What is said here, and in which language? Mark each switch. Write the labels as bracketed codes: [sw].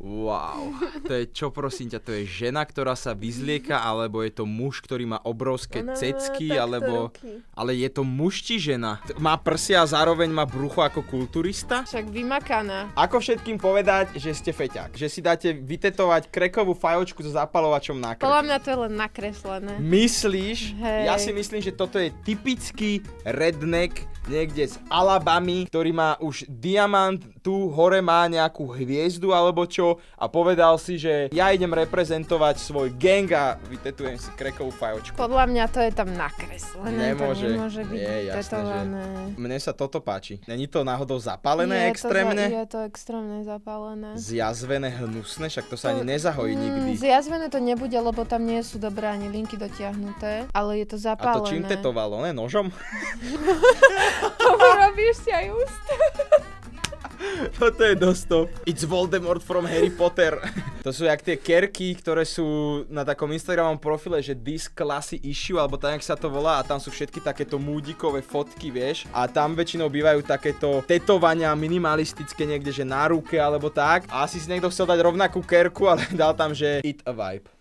[sk] Wow, to je čo prosím ťa, to je žena, ktorá sa vyzlieka, alebo je to muž, ktorý má obrovské cecky, alebo... Ruky. Ale je to muž či žena? Má prsia a zároveň má brucho ako kulturista? Však vymakaná. Ako všetkým povedať, že ste feťák? Že si dáte vytetovať krekovú fajočku so zapalovačom na krk? Podľa mňa to je len nakreslené. Myslíš? Hej. Ja si myslím, že toto je typický redneck. Niekde z Alabamy, ktorý má už diamant, tu hore má nejakú hviezdu alebo čo a povedal si, že ja idem reprezentovať svoj gang a vytetujem si krekovú fajočku. Podľa mňa to je tam nakreslené, nemôže, to nemôže byť vytetované. Mne sa toto páči. Není to náhodou zapálené extrémne? Je to extrémne zapálené. Zjazvené, hnusné, však to sa ani nezahojí nikdy. Zjazvené to nebude, lebo tam nie sú dobré ani linky dotiahnuté, ale je to zapálené. A to čím tetovalo, ne? Nožom? Tomu robíš si aj úst. Toto je dosť top. [en] It's Voldemort from Harry Potter. [sk] To sú jak tie kerky, ktoré sú na takom Instagramom profile, že [en] this classy issue, [sk] alebo tak, jak sa to volá, a tam sú všetky takéto múdikové fotky, vieš. A tam väčšinou bývajú takéto tetovania minimalistické niekde, že na ruke alebo tak. A asi si niekto chcel dať rovnakú kerku, ale dal tam, že [en] it a vibe.